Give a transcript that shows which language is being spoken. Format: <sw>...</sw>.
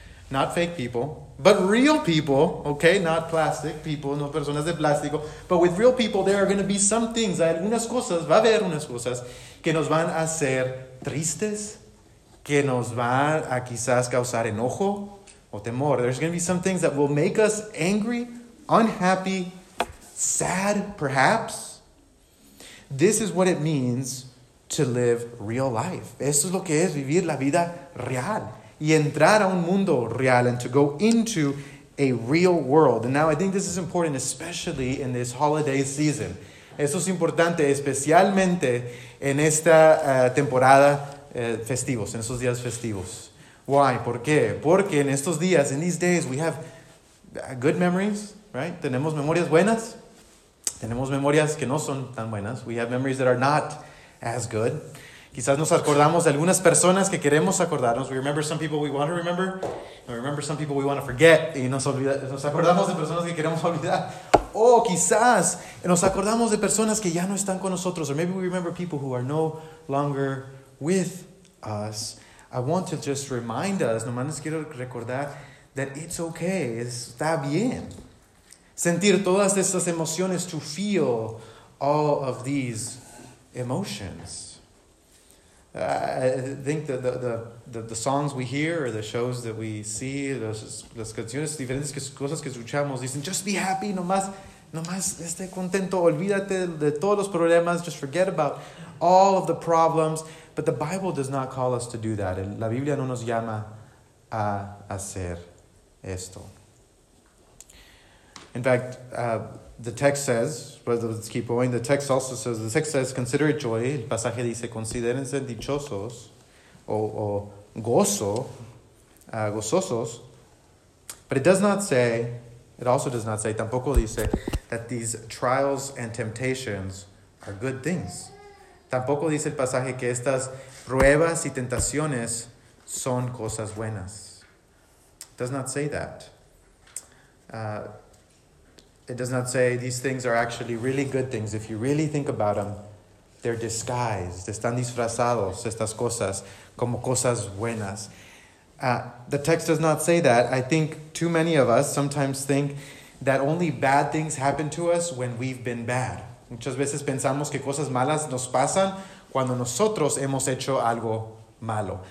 <en>not fake people, but real people, okay, not plastic people,</en> <es>no personas de plástico,</es> <en>but with real people, there are going to be some things,</en> <es>hay algunas cosas, va a haber unas cosas, que nos van a hacer tristes, que nos va a quizás causar enojo o temor.</es> <en>There's going to be some things that will make us angry, unhappy, sad, perhaps. This is what it means to live real life.</en> <es>Eso es lo que es vivir la vida real. Y entrar a un mundo real</es> <en>and to go into a real world. And now I think this is important, especially in this holiday season.</en> <es>Eso es importante, especialmente en esta temporada festivos, en esos días festivos.</es> <en>Why?</en> <es>¿Por qué? Porque en estos días,</es> <en>in these days, we have good memories, right?</en> <es>Tenemos memorias buenas. Tenemos memorias que no son tan buenas.</es> <en>We have memories that are not as good.</en> <es>Quizás nos acordamos de algunas personas que queremos acordarnos.</es> <en>We remember some people we want to remember. We remember some people we want to forget.</en> <es>Y nos acordamos de personas que queremos olvidar. O quizás nos acordamos de personas que ya no están con nosotros.</es> <en>Or maybe we remember people who are no longer with us. I want to just remind us,</en> <es>nomás quiero recordar,</es> <en>that it's okay,</en> <es>está bien. Sentir todas estas emociones,</es> <en>to feel all of these emotions. I think that the songs we hear, or the shows that we see,</en> <es>las canciones diferentes, cosas que escuchamos, dicen,</es> <en>just be happy,</en> <es>nomás esté contento, olvídate de todos los problemas,</es> <en>just forget about all of the problems. But the Bible does not call us to do that.</en> <es>La Biblia no nos llama a hacer esto.</es> <en>In fact, the text says, let's keep going. The text also says, the text says, consider it joy.</en> <es>El pasaje dice, considérense dichosos o gozo, gozosos.</es> <en>But it does not say, it also does not say,</en> <es>tampoco dice,</es> <en>that these trials and temptations are good things.</en> <es>Tampoco dice el pasaje que estas pruebas y tentaciones son cosas buenas.</es> <en>It does not say that. It does not say these things are actually really good things. If you really think about them, they're disguised.</en> <es>Están disfrazados estas cosas como cosas buenas.</es> <en>The text does not say that. I think too many of us sometimes think that only bad things happen to us when we've been bad.</en> <es>Muchas veces pensamos que cosas malas nos pasan cuando nosotros hemos hecho algo malo.</es>